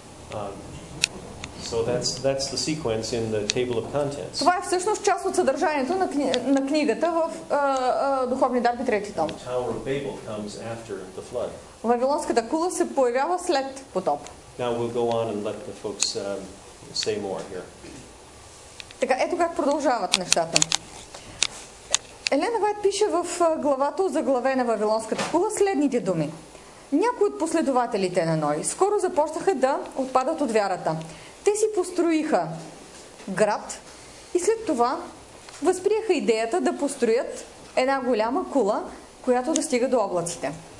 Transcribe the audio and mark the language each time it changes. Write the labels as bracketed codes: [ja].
[en] So that's the sequence in the table of contents. [bg] Това е всъщност част от съдържанието на книгата в Духовни дарби, трети том. [en] The Tower of Babel comes after the flood. [bg] Вавилонската кула се появява след потоп. [en] Now we'll go on and let the folks say more here. [bg] Така, ето как продължават нещата. Елена Вайт пише в главата озаглавена Вавилонската кула следните думи. Някои от последователите на Ной скоро започнаха да отпадат от вярата. Те си построиха град и след това възприеха идеята да построят една голяма кула, която достига до облаците.